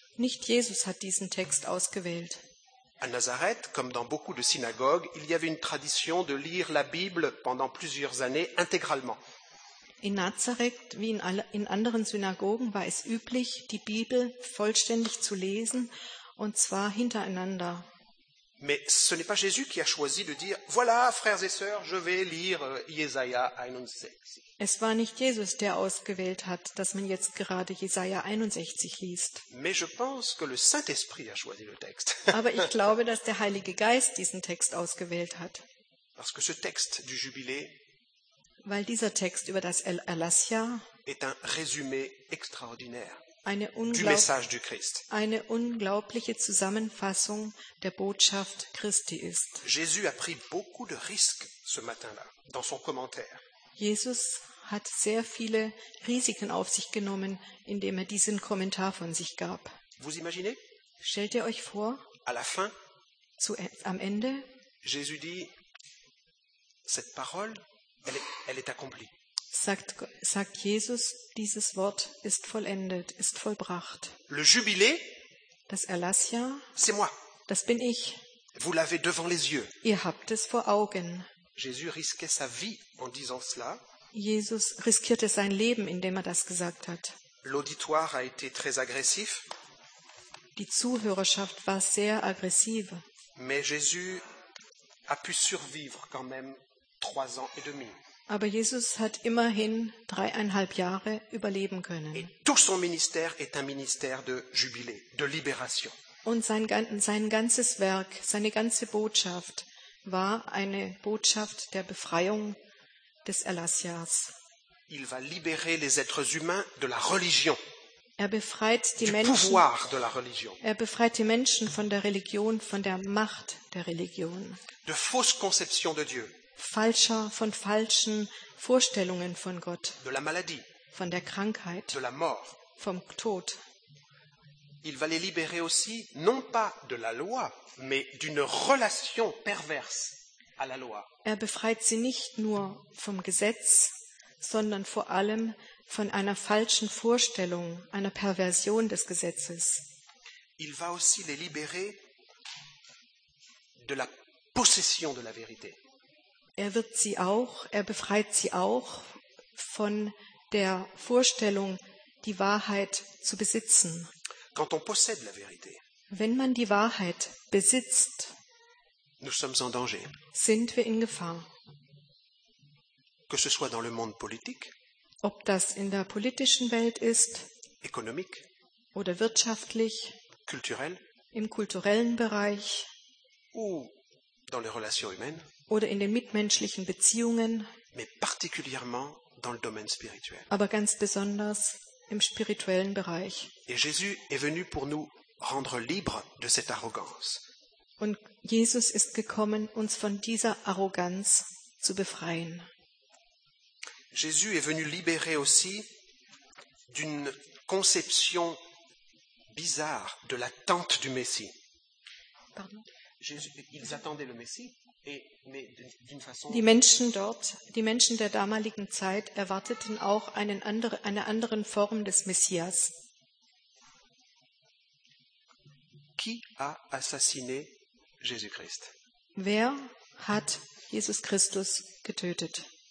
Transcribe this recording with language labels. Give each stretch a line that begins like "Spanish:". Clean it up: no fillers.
German: Nicht Jesus hat diesen Text ausgewählt.
French: À Nazareth, comme dans beaucoup de synagogues, il y avait une tradition de lire la Bible pendant plusieurs années intégralement.
German: In Nazareth, wie in anderen Synagogen, war es üblich, die Bibel vollständig zu lesen, und zwar hintereinander.
French: Mais ce n'est pas Jésus qui a choisi de dire, voilà, frères et sœurs, je vais lire Jesaja 61.
German: Es war nicht Jesus, der ausgewählt hat, dass man jetzt gerade Jesaja 61 liest.
French: Mais je pense que le Saint-Esprit a choisi le texte.
German: Aber ich glaube, dass der Heilige Geist diesen Text ausgewählt hat.
French: Parce que ce texte du jubilé.
German: Weil dieser Text über das Erlassjahr
French: est un résumé extraordinaire du message du Christ.
German: Eine unglaubliche Zusammenfassung der Botschaft Christi ist.
French: Jésus a pris beaucoup de risques ce matin-là dans son commentaire.
German: Jesus hat sehr viele Risiken auf sich genommen, indem er diesen Kommentar von sich gab.
French: Vous imaginez?
German: Stellt ihr euch vor?
French: À la fin,
German: am Ende,
French: Jésus dit cette parole. Elle est accomplie.
German: Sagt Jesus, dieses Wort ist vollendet, ist vollbracht.
French: Le jubilé,
German: das Erlassjahr,
French: c'est moi.
German: Das bin ich.
French: Vous l'avez devant les yeux.
German: Ihr habt es vor Augen.
French: Jésus risquait sa vie en disant cela.
German: Jesus riskierte sein Leben, indem er das gesagt hat.
French: L'auditoire a été très agressif.
German: Die Zuhörerschaft war sehr aggressiv.
French: Mais Jésus a pu survivre quand même 3 ans et demi.
German: Aber Jesus hat immerhin 3,5 Jahre überleben können.
French: Et tout son ministère est un ministère de jubilé, de libération.
German: Und sein ganzes Werk, seine ganze Botschaft war eine Botschaft der Befreiung des Erlassjahrs.
French: Il va libérer les êtres humains de la religion.
German: Er befreit die Menschen,
French: pouvoir de la religion.
German: Er befreit die Menschen von der Religion, von der Macht der Religion.
French: De fausses conceptions de Dieu.
German: Falscher, von falschen Vorstellungen von Gott.
French: De la maladie.
German: Von der Krankheit.
French: De la mort.
German: Vom Tod.
French: Il va les libérer aussi, non pas de la loi, mais d'une relation perverse à la loi.
German: Er befreit sie nicht nur vom Gesetz, sondern vor allem von einer falschen Vorstellung, einer Perversion des Gesetzes.
French: Il va aussi les libérer de la possession de la vérité.
German: Er befreit sie auch von der Vorstellung, die Wahrheit zu besitzen.
French: Quand on possède la vérité,
German: wenn man die Wahrheit besitzt,
French: nous sommes en danger.
German: Sind wir in Gefahr.
French: Que ce soit dans le monde politique,
German: ob das in der politischen Welt ist,
French: économique,
German: oder wirtschaftlich,
French: culturel,
German: im kulturellen Bereich,
French: ou dans les relations humaines,
German: oder in den mitmenschlichen Beziehungen,
French: mais particulièrement dans le domaine spirituel.
German: Aber ganz besonders im spirituellen Bereich.
French: Et Jésus est venu pour nous rendre libres de cette arrogance.
German: Und Jesus ist gekommen, uns von dieser Arroganz zu befreien.
French: Jésus est venu libérer aussi d'une conception bizarre de l'attente du Messie. Pardon. Jésus, ils attendaient le Messie et mais d'une façon.
German: Die Menschen dort, die Menschen der damaligen Zeit erwarteten auch eine andere Form des Messias.
French: Qui a assassiné Jésus-Christ?
German: Wer hat Jesus Christus getötet?